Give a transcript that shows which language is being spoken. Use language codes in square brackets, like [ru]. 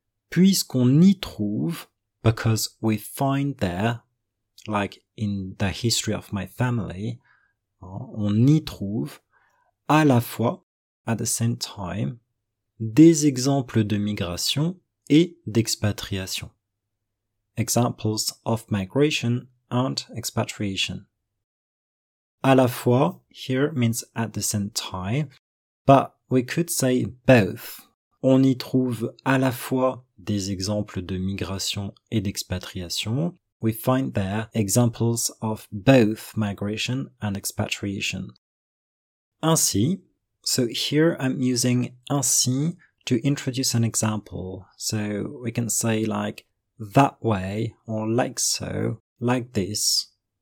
[fr] Puisqu'on y trouve, [en] because we find there, like in the history of my family, [fr] on y trouve, à la fois, [en] at the same time, [fr] des exemples de migration et d'expatriation. [en] Examples of migration and expatriation. [fr] À la fois, [en] here means at the same time, but we could say both. [fr] On y trouve à la fois des exemples de migration et d'expatriation, [en] we find there examples of both migration and expatriation. Ainsi, so here I'm using ainsi to introduce an example. So we can say like that way or like so, like this.